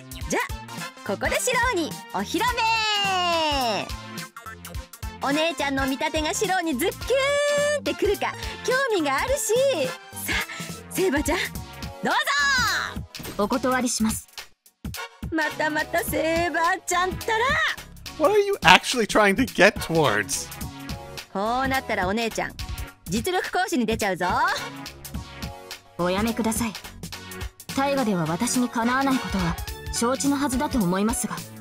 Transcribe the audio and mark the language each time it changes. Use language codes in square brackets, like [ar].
[ja] じゃあここでシロにお披露目。お姉ちゃんの見立てがシロにズッキューンってくるか興味があるし、さあセーバちゃんどうぞ。お断りします。またまたセーバちゃんったら。 [en] What are you actually trying to get towards? [ja] こうなったらお姉ちゃん実力行使に出ちゃうぞ。おやめください。タイガでは私にかなわないことは承知のはずだと思いますが。